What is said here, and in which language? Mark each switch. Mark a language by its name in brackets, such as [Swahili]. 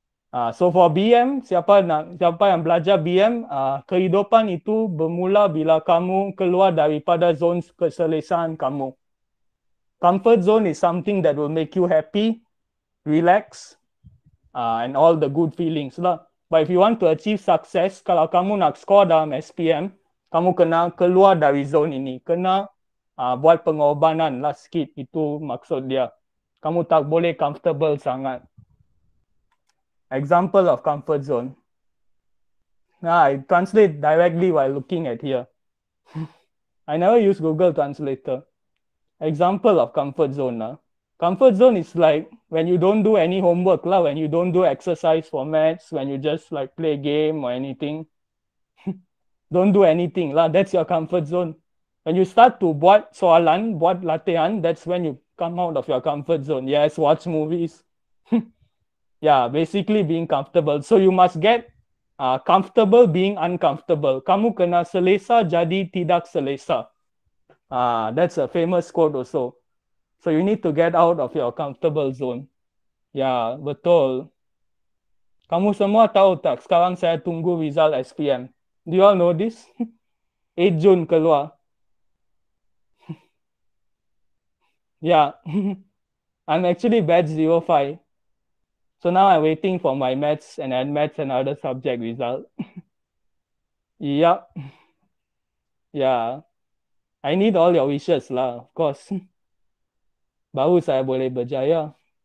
[English] So for BM, [Malay] siapa yang belajar BM, kehidupan itu bermula bila kamu keluar daripada zone keselesaan kamu. [English] Comfort zone is something that will make you happy, relax, and all the good feelings lah. But if you want to achieve success, [Malay] kalau kamu nak score dalam SPM, kamu kena keluar dari zone ini. [English] Kena buat pengorbanan lah sikit. Itu maksud dia. [Malay] Kamu tak boleh comfortable sangat. [English] Example of comfort zone. Nah, I translate directly while looking at here. I never use Google Translator. Example of comfort zone. Comfort zone is like when you don't do any homework, lah, when you don't do exercise for maths, when you just like play game or anything. Don't do anything. Lah. That's your comfort zone. When you start to [Malay] buat soalan, buat latihan, [English] that's when you come out of your comfort zone. Yes, watch movies. Yeah, basically being comfortable. So you must get comfortable being uncomfortable. [Malay] Kamu kena selesa jadi tidak selesa. [English] That's a famous quote also. So you need to get out of your comfortable zone. [Malay] Yeah, betul. Kamu semua tahu tak? Sekarang saya tunggu result SPM. [English] Do you all know this? [Malay] 8 Jun keluar. [English] I'm actually batch 05. So now I'm waiting for my maths and admaths and other subject result. I need all your wishes lah, of course. [Malay] Baru saya boleh berjaya.